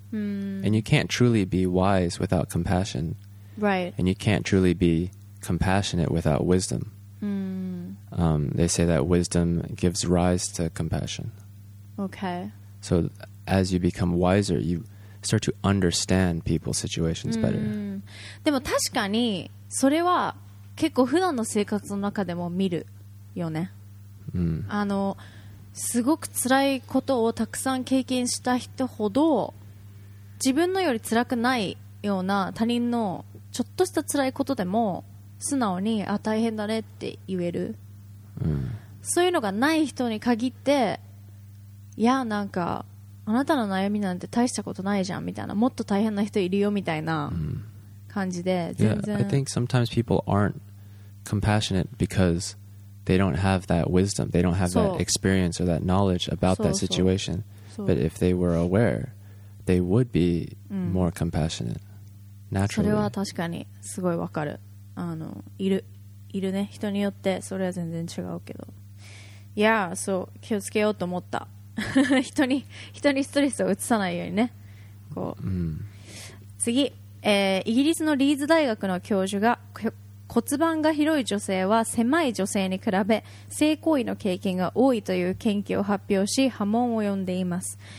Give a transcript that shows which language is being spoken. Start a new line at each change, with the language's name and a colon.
English: And you can't truly be wise without compassion. Right. And you can't truly be compassionate without wisdom. They say that wisdom gives rise to compassion. Okay. So as you become wiser, you start to understand people's situations better.
Japanese: でも確かにそれは結構普段の生活の中でも見るよね。あのすごく辛いことをたくさん経験した人ほど自分のより辛くないような他人のちょっとした辛いことでも素直にあ大変だねって言える、そういうのがない人に限っていやなんかあなたの悩みなんて大したことないじゃんみたいなもっと大変な人いるよみたいな感じで、全然
English: yeah, I think sometimes people aren't compassionate because they don't have that wisdom, they don't have that experience or that knowledge about that situation. But if they were aware, they would be more compassionate naturally.
Japanese: それは確かにすごいわかる。あのいるね、人によってそれは全然違うけど、いやそう気をつけようと思った人にストレスを移さないようにね、こう、次、イギリスのリーズ大学の教授が骨盤が広い女性は狭い女性に比べ性行為の経験が多いという研究を発表し波紋を呼んでいます。